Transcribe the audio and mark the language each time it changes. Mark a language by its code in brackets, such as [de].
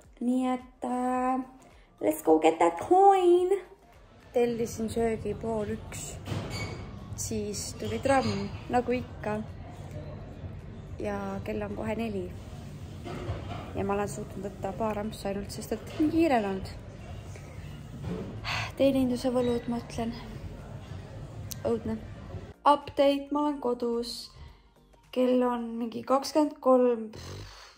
[et] Nii et [en] let's go get that coin. [et] Tellisin söögi pool üks. Siis tuli tramm, nagu ikka. Ja kell on kohe 4. Ja ma olen suutnud võtta paar ampsa ainult, sest et on kiirelanud. Teeninduse võlud, ma ütlen. Õudne. Update, ma olen kodus. Kell on mingi 23.